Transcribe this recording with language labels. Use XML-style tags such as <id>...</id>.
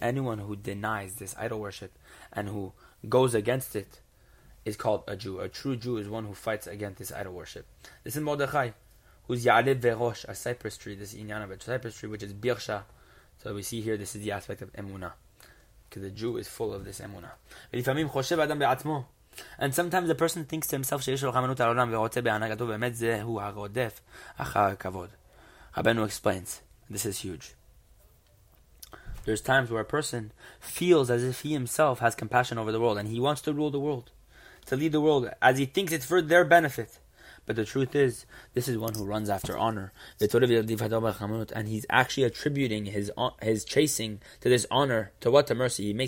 <en>Anyone who denies this idol worship and who goes against it is called a Jew. A true Jew is one who fights against this idol worship. This is Mordechai, who's Ya'alev Verosh, a cypress tree, this inyan of a cypress tree, which is Birsha. So we see here, this is the aspect of Emunah. Because the Jew is full of this Emunah. And sometimes the person thinks to himself,</en> <he>שיש לו חמנות על העולם ורוצה בהנהגתו, באמת זה הוא הרודף אחר הכבוד.</he> <en>Rabeinu explains, this is huge. There's times where a person feels as if he himself has compassion over the world and he wants to rule the world, to lead the world, as he thinks it's for their benefit. But the truth is, this is one who runs after honor. And he's actually attributing his chasing to this honor. To what? To mercy.</en>